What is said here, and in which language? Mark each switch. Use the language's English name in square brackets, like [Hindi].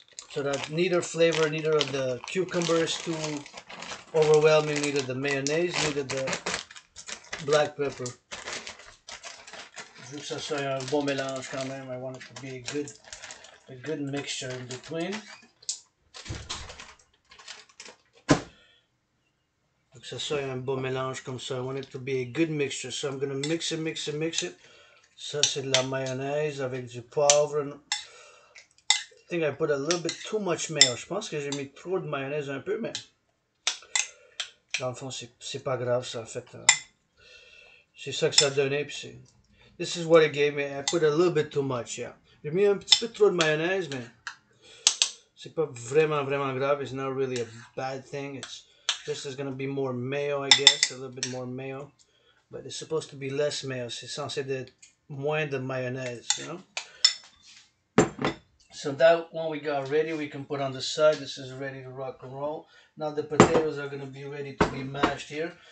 [English] So that neither flavor, neither of the cucumber is too overwhelming, neither the mayonnaise, neither the black pepper. [French] Je veux que ça soit un bon mélange quand même. [English] I want it to be a good mixture in between. [French] Ça soit un bon mélange comme ça. [English] I want it to be a good mixture. So I'm gonna mix it, mix it, mix it. [French] Ça c'est de la mayonnaise avec du poivre. [English] I think I put a little bit too much mayo. [French] Je pense que j'ai mis trop de mayonnaise un peu, mais dans le fond, c'est pas grave ça. En fait, c'est ça que ça a donné. [English] Puis c'est, this is what it gave me. I put a little bit too much, yeah. [French] J'ai mis un petit peu trop de mayonnaise, mais c'est pas vraiment, vraiment grave. [English] It's not really a bad thing. It's this is gonna be more mayo, I guess, a little bit more mayo. But it's supposed to be less mayo. [French] C'est censé être moins de mayonnaise, [English] you know? So that one we got ready, we can put on the side. This is ready to rock and roll. Now the potatoes are gonna be ready to be mashed here.